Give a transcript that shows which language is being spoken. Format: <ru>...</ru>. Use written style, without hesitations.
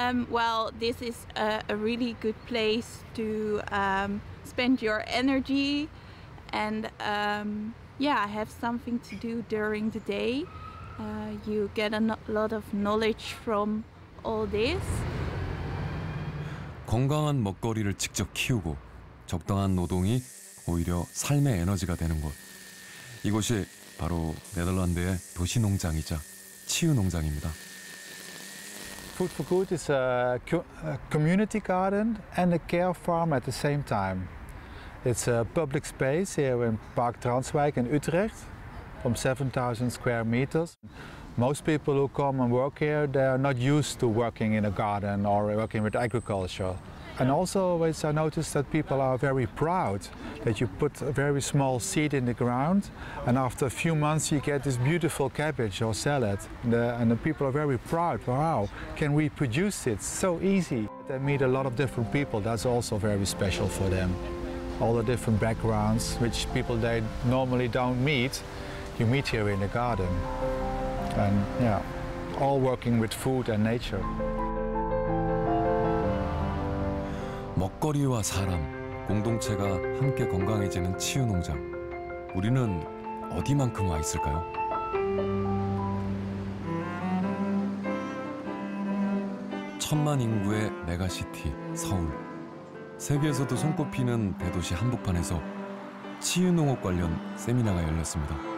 <en>Well, this is a really good place to spend your energy and have something to do during the day. You get a lot of knowledge from all this.</en> <ko>건강한 먹거리를 직접 키우고 적당한 노동이 오히려 삶의 에너지가 되는 곳. 이곳이 바로 네덜란드의 도시 농장이자 치유 농장입니다.</ko> <en>Food for Good is a community garden and a care farm at the same time. It's a public space here in Park Transwijk in Utrecht, from 7,000 square meters. Most people who come and work here, they are not used to working in a garden or working with agriculture. And also, always I noticed that people are very proud that you put a very small seed in the ground, and after a few months you get this beautiful cabbage or salad. And the people are very proud. Wow, can we produce it? So easy. They meet a lot of different people. That's also very special for them. All the different backgrounds, which people they normally don't meet, you meet here in the garden. And yeah, all working with food and nature.</en> <ko>먹거리와 사람, 공동체가 함께 건강해지는 치유 농장. 우리는 어디만큼 와 있을까요? 천만 인구의 메가시티, 서울. 세계에서도 손꼽히는 대도시 한복판에서 치유 농업 관련 세미나가 열렸습니다.</ko>